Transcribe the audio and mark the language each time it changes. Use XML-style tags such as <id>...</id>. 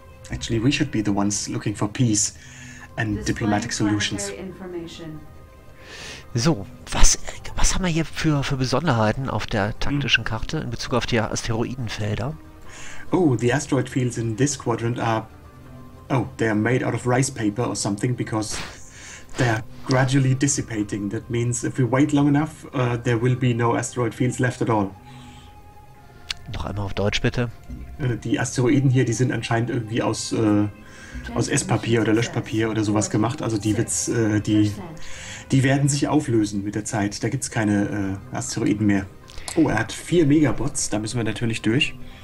<en>Actually, we should be the ones looking for peace and diplomatic solutions.</en> <de>So, was haben wir hier für Besonderheiten auf der taktischen Karte in Bezug auf die Asteroidenfelder?</de> <en>Oh, the asteroid fields in this quadrant are, oh, they are made out of rice paper or something because they are gradually dissipating. That means if we wait long enough, there will be no asteroid fields left at all.</en> <de>Noch einmal auf Deutsch, bitte. Die Asteroiden hier, die sind anscheinend irgendwie aus Esspapier oder Löschpapier oder sowas gemacht. Also die werden sich auflösen mit der Zeit. Da gibt es keine Asteroiden mehr. Oh, er hat vier Megabots. Da müssen wir natürlich durch.</de>